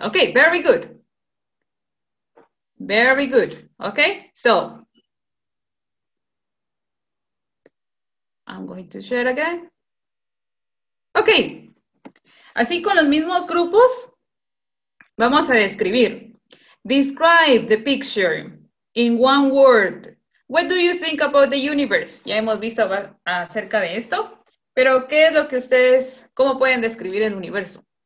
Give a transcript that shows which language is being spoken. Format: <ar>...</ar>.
<en>Okay, very good. Very good, okay. So, I'm going to share again. Okay.</en> <es>Así con los mismos grupos, vamos a describir.</es> <en>Describe the picture. In one word, what do you think about the universe?</en> <es>Ya hemos visto acerca de esto, pero ¿qué es lo que ustedes, cómo pueden describir el universo?</es>